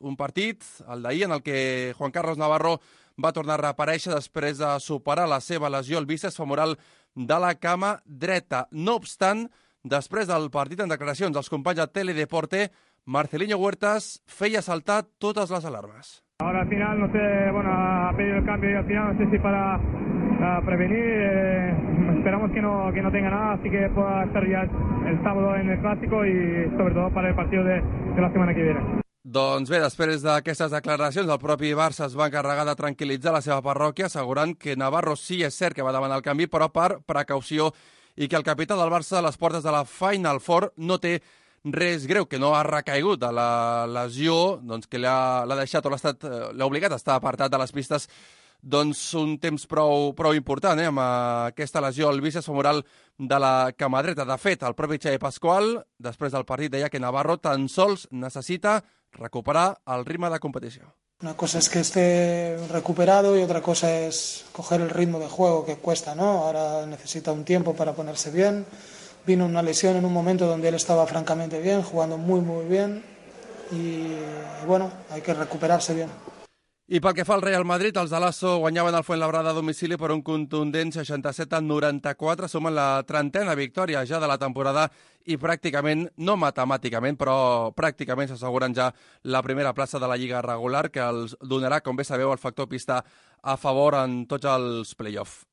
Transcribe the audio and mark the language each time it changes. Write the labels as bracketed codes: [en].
[ca] Un partit, el d'ahir, en el que Juan Carlos Navarro va tornar a reaparèixer després de superar la seva lesió al bíceps femoral de la cama dreta. No obstant, després del partit en declaracions dels companys de Teledeporte, Marcelinho Huertas feia saltar totes les alarmes. [es] Ahora al final no sé, bueno, ha pedido el cambio y al final no sé si para prevenir. Esperamos que no tenga nada, así que pueda estar ya el sábado en el clásico y sobre todo para el partido de la semana que viene. [ca] Doncs bé, després d'aquestes declaracions, el propi Barça es va encarregar de tranquil·litzar la seva parròquia, assegurant que Navarro sí és cert que va demanar el canvi, però per precaució, i que el capità del Barça a les portes de la Final Four no té res greu, que no ha recaigut de la lesió, doncs que l'ha deixat o l'ha obligat a estar apartat de les pistes doncs un temps prou important, amb aquesta lesió al bíceps femoral de la cama dreta. De fet, el propi Xavi Pascual, després del partit, deia que Navarro tan sols necessita recuperar el ritme de competició. [es] Una cosa es que esté recuperado y otra cosa es coger el ritmo de juego, que cuesta, ¿no? Ahora necesita un tiempo para ponerse bien. Vino una lesión en un momento donde él estaba francamente bien, jugando muy, muy bien. Y bueno, hay que recuperarse bien. [ca] I pel que fa al Real Madrid, els de Lasso guanyaven el Fuenlabrada a domicili per un contundent 67-94, sumant la 30a victòria ja de la temporada i pràcticament, no matemàticament, però pràcticament s'asseguren ja la primera plaça de la Lliga regular, que els donarà, com bé sabeu, el factor pista a favor en tots els play-offs.